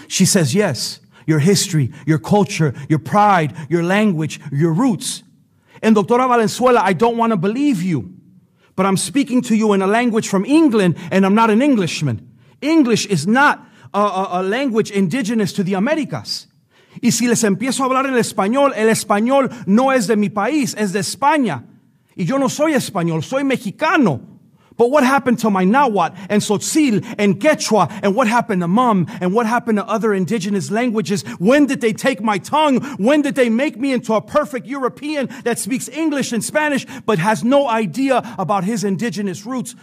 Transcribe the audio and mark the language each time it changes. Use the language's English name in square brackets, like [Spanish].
[English] She says, yes, your history, your culture, your pride, your language, your roots. And Doctora Valenzuela, I don't want to believe you, but I'm speaking to you in a language from England, and I'm not an Englishman. English is not a language indigenous to the Americas. [Spanish] Y si les empiezo a hablar el español no es de mi país, es de España. Y yo no soy español, soy mexicano. [English] But what happened to my Nahuatl and Tzotzil and Quechua, and what happened to Mum, and what happened to other indigenous languages? When did they take my tongue? When did they make me into a perfect European that speaks English and Spanish but has no idea about his indigenous roots?